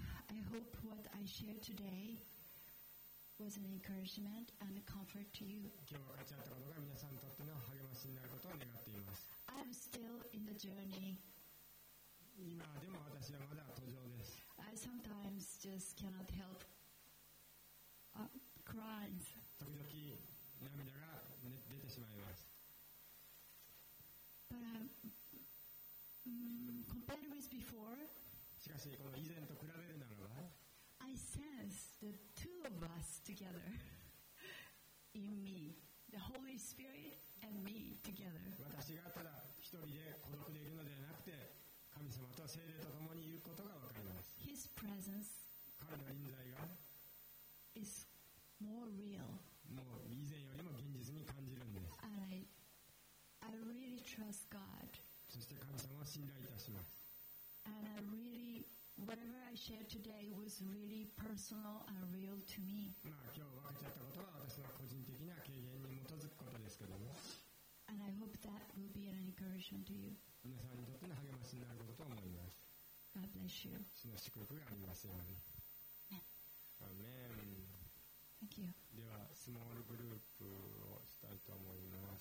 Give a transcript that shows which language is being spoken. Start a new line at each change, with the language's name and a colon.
English: I hope what I shared today was an encouragement and a comfort to you.
Japanese: 今日分かち合ったことが皆さんにとっての励ましになることを願っています。
English: I'm still in the journey.
Japanese: 今でも私はまだ途上です。
English: I sometimes just cannot help crying.
Japanese: 時々涙が出てしまいます。
English: But I'm. Compared with before,
Japanese: しかしこの以前と比べるならば、
English: I sense the two of us together in me, the Holy Spirit and me together.
Japanese: 私がただ一人で孤独でいるのではなくて、神様と聖霊と共にいることがわかります。
English: His presence,
Japanese: 彼の臨在が、
English: is more real.
Japanese: もう以前よりも現実に感じるんです。
English: And I really trust God.
Japanese: そして神様を信頼いたします。
English: And I really, whatever I shared today was really personal and real to me.
Japanese: まあ今日分かち合ったことは私の個人的な経験に基づくことですけども。
English: And I hope that will be an encouragement to you.
Japanese: 皆さんにとっての励ましになることと思います。
English: God bless you.
Japanese: 主の祝福がありますように。
English: Amen. Thank you.
Japanese: では、スモールグループをしたいと思います。